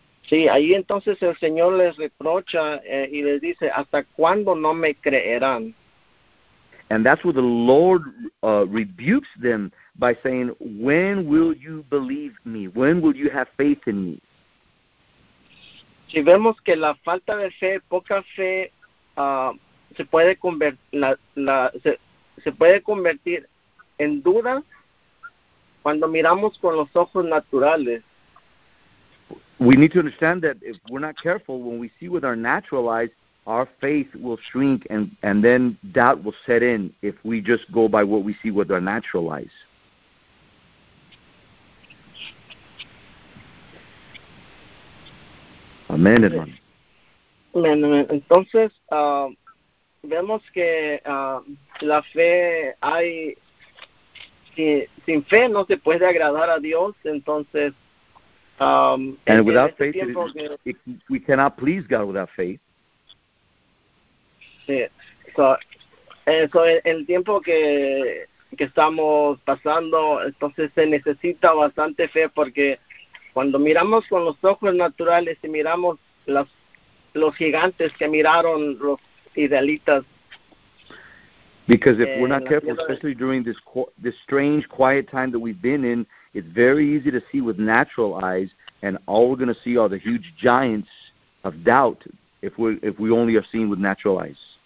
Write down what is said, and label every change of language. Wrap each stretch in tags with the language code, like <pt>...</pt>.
<es>Sí, ahí entonces el Señor les reprocha y les dice, ¿hasta cuándo no me creerán?</es> <en>And that's where the Lord rebukes them by saying, when will you believe me? When will you have faith in me?</en> <es>Si vemos que la falta de fe, poca fe, se puede convertir en duda cuando miramos con los ojos naturales.</es> <en>We need to understand that if we're not careful, when we see with our natural eyes, our faith will shrink and then doubt will set in if we just go by what we see with our natural eyes.</en> <es>Amen, hermano. Amen, amen. Entonces, vemos que la fe hay... Sin fe no se puede agradar a Dios, entonces...</es> <en>And without faith, we cannot please God without faith.</en> <es>So el tiempo que estamos pasando, entonces se necesita bastante fe, porque cuando miramos con los ojos naturales y miramos los gigantes que miraron los israelitas.</es> <en>Because if we're not careful, especially during this strange quiet time that we've been in, it's very easy to see with natural eyes, and all we're going to see are the huge giants of doubt if we only are seeing with natural eyes.</en>